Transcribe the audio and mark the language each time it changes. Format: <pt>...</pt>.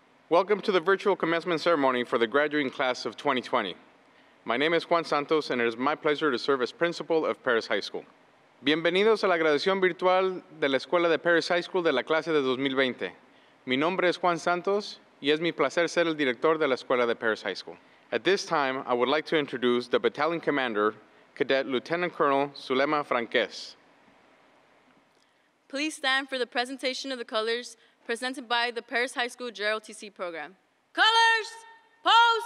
<en>Welcome to the virtual commencement ceremony for the graduating class of 2020. My name is Juan Santos, and it is my pleasure to serve as principal of Paris High School.</en> <es>Bienvenidos a la graduación virtual de la Escuela de Paris High School de la clase de 2020. Mi nombre es Juan Santos, y es mi placer ser el director de la Escuela de Paris High School.</es> <en>At this time, I would like to introduce the battalion commander, Cadet Lieutenant Colonel Zulema Franquez. Please stand for the presentation of the colors presented by the Paris High School JROTC program. Colors, post!</en>